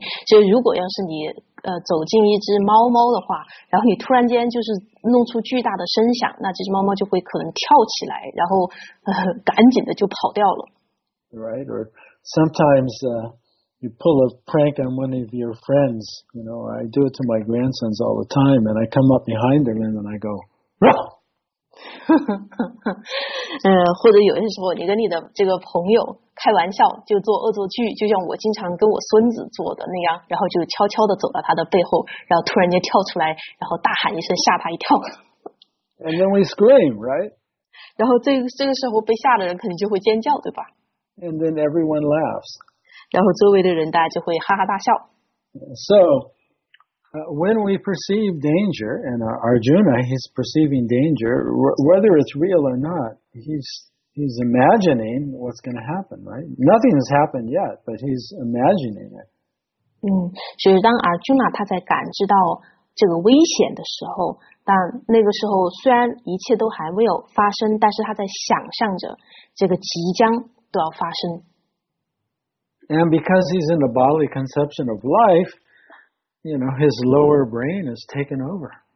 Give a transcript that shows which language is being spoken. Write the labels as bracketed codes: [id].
[zh] 就如果要是你走进一只猫猫的话，然后你突然间就是弄出巨大的声响，那这只猫猫就会可能跳起来，然后赶紧的就跑掉了。 [en] Right, or sometimes you pull a prank on one of your friends. You know, I do it to my grandsons all the time, and I come up behind them and then I go, "Rah!" [zh] 或者有些时候你跟你的这个朋友开玩笑就做恶作剧，就像我经常跟我孙子做的那样，然后就悄悄地走到他的背后，然后突然间跳出来，然后大喊一声吓他一跳。 [en] And then we scream, right? [zh] 然后这个时候被吓的人肯定就会尖叫，对吧？ [en] And then everyone laughs. [zh] 然后周围的人大家就会哈哈大笑。 [en] So, when we perceive danger, and Arjuna, he's perceiving danger, whether it's real or not, he's imagining what's going to happen, right? Nothing has happened yet, but he's imagining it. [zh] 嗯，所以当 Arjuna 他在感知到这个危险的时候，但那个时候虽然一切都还没有发生，但是他在想象着这个即将都要发生。 [en] And because he's in the bodily conception of life, you know, his lower brain is taken over.